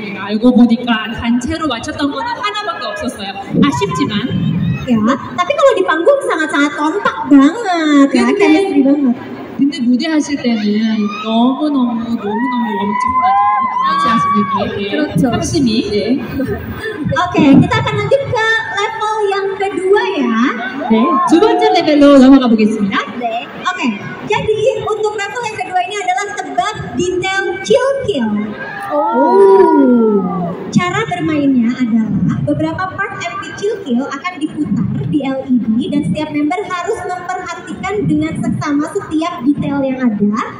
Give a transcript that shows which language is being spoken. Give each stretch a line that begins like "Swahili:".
Korean: 알고 보니까 단체로 맞췄던 거는 하나밖에 없었어요. 아쉽지만.
Indonesian: 야, tapi kalau di panggung sangat-sangat kompak banget. Ya, kayak gitu banget.
Korean: 근데 무대 하실 때는 너무너무 엄청나죠. 그렇지 않습니까? 그렇죠. 합심이.
Indonesian: 오케이, kita akan lanjut ke level yang kedua ya.
Korean: 네, 두 번째 레벨로 넘어가 보겠습니다. 네. 오케이.
Indonesian: Jadi untuk level yang kedua ini adalah tebak detail kill kill. Oh. Cara bermainnya adalah beberapa part MV kill kill akan diputar di LED dan setiap member harus memperhatikan dengan seksama setiap detail yang ada.